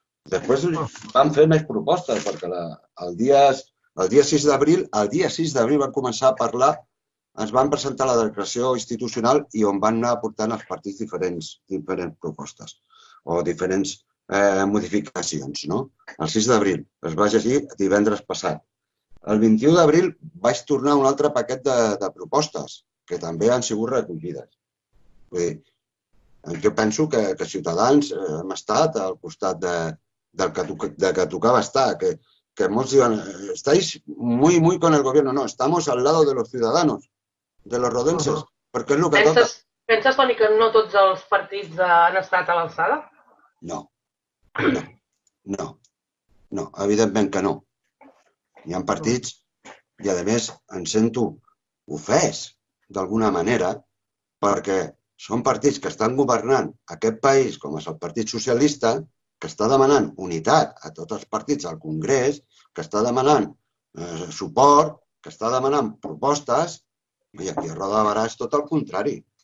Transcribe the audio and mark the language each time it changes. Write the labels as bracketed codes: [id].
[ca] Després van fer més propostes, perquè el dia 6 d'abril, el dia 6 d'abril van començar a parlar, ens van presentar la declaració institucional i on van anar aportant els partits diferents propostes o diferents modificacions. No? El 6 d'abril es va llegir divendres passat. El 21 d'abril vaig tornar un altre paquet de propostes que també han sigut recollides. Vull dir, jo penso que Ciutadans hem estat al costat del que tocava estar, que molts diuen, [es] estáis muy, muy con el gobierno. No, estamos al lado de los ciudadanos, de los rodenses, [ca] perquè és el que toca. Penses, Toni, que no tots els partits han estat a l'alçada? No. No. No. No, evidentment que no. Hi ha partits, i a més em sento ofès d'alguna manera, perquè són partits que estan governant aquest país, com és el Partit Socialista, que està demanant unitat a tots els partits al Congrés, que està demanant suport, que està demanant propostes, i aquí a Roda de Barà és tot el contrari.